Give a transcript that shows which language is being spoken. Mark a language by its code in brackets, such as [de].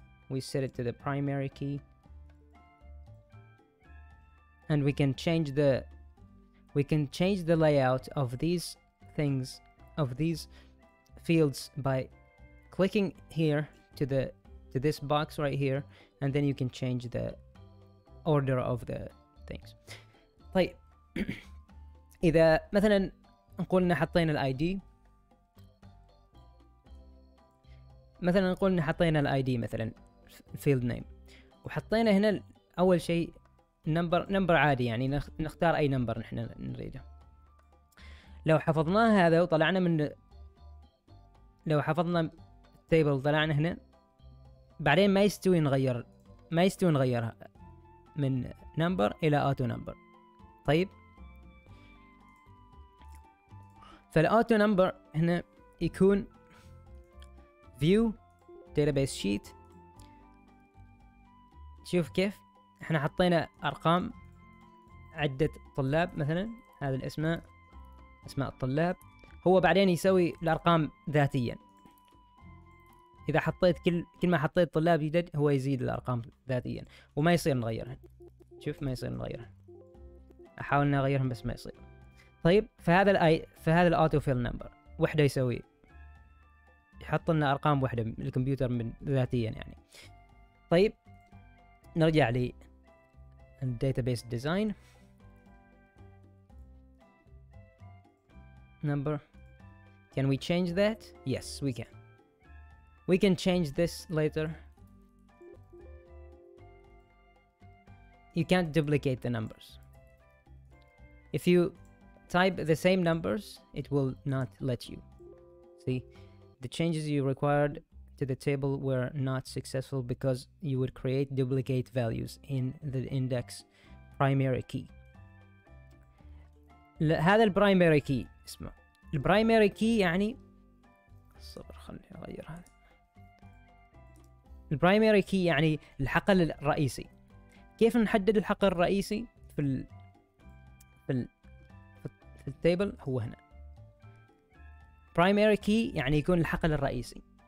[en] We set it to the primary key, and we can change the layout of these things, of these fields, by clicking here to the this box right here, and then you can change the order of the things. [ar] طيب إذا مثلا نقول إن حطينا الID مثلا نقول إن حطينا الID مثلا field name وحطينا هنا أول شيء number عادي, يعني نختار أي number نحن نريده. لو حفظنا هذا وطلعنا من لو حفظنا table طلعنا هنا بعدين ما يستوي نغير نغيرها من number إلى auto number. طيب فالauto number هنا يكون view database sheet. شوف كيف احنا حطينا ارقام عدة طلاب مثلا, هذا الاسماء اسماء الطلاب, هو بعدين يسوي الارقام ذاتيا. اذا حطيت كل ما حطيت طلاب جدد هو يزيد الارقام ذاتيا وما يصير نغيرها. شوف ما يصير نغيرها, احاول نغيرهم بس ما يصير. طيب فهذا الاي فهذا الاوتو فيل نمبر وحده يسوي يحط لنا ارقام وحده من الكمبيوتر من ذاتيا يعني. طيب نرجع لي [en] database design number. Can we change that? Yes, we can. We can change this later. You can't duplicate the numbers. If you type the same numbers, it will not let you. See, the changes you required to the table were not successful because you would create duplicate values in the index primary key. [ar] هذا البرايمري كي اسمه البرايمري كي, يعني صبر خلني اغير هذا. البرايمري كي يعني الحقل الرئيسي. كيف نحدد الحقل الرئيسي في ال في التيبل؟ هو هنا برايمري كي يعني يكون الحقل الرئيسي.